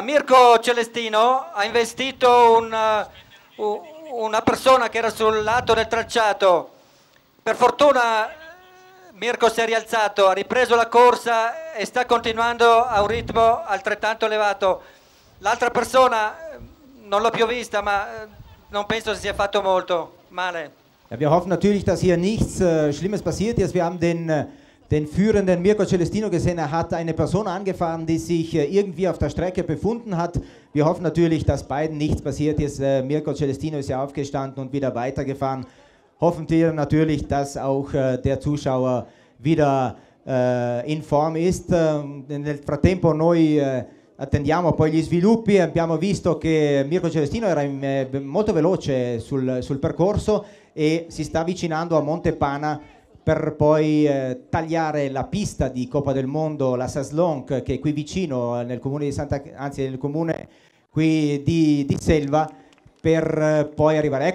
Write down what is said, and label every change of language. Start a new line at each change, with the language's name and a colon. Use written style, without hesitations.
Italian: Mirko Celestino ha investito una persona che era sul lato del tracciato. Per fortuna Mirko si è rialzato, ha ripreso la corsa e sta continuando a un ritmo altrettanto elevato. L'altra persona non l'ho più vista, ma non penso si sia fatto molto male.
German: Ja, wir hoffen natürlich, dass hier nichts Schlimmes passiert ist. Wir haben den führenden Mirko Celestino gesehen. Er hat eine Person angefahren, die sich irgendwie auf der Strecke befunden hat. Wir hoffen natürlich, dass beiden nichts passiert ist. Mirko Celestino ist ja aufgestanden und wieder weitergefahren. Hoffen wir natürlich, dass auch der Zuschauer wieder in Form ist.
Italian: Nel frattempo noi attendiamo poi gli sviluppi. Abbiamo visto che Mirko Celestino era molto veloce sul percorso e si sta avvicinando a Montepana per poi tagliare la pista di Coppa del Mondo, la Saslonk, che è qui vicino nel comune di Selva, per poi arrivare.